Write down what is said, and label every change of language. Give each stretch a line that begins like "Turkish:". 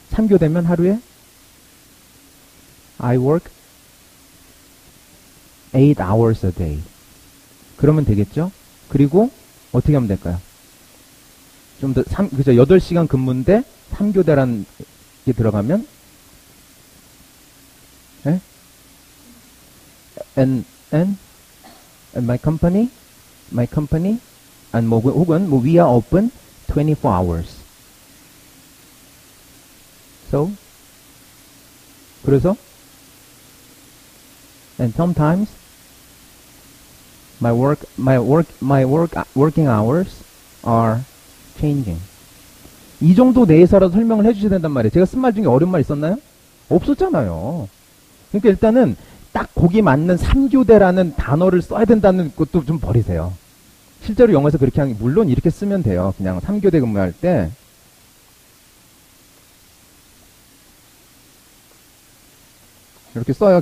Korean: 3교대면 하루에
English: I work 8 hours a day.
Korean: 그러면 되겠죠? 그리고 어떻게 하면 될까요? 좀 더 그죠? 8시간 근무인데 3교대라는 게 들어가면 예?
English: And my company and
Korean: 뭐, 혹은 뭐,
English: we are open 24 hours. So
Korean: 그래서
English: and sometimes my working hours are changing.
Korean: 이 정도 내에서라도 설명을 해 주셔야 된단 말이에요. 제가 쓴 말 중에 어려운 말 있었나요? 없었잖아요. 그러니까 일단은 딱 거기 맞는 3교대라는 단어를 써야 된다는 것도 좀 버리세요. 실제로 영어에서 그렇게 하는 게 물론 이렇게 쓰면 돼요. 그냥 3교대 근무할 때 이렇게 써요.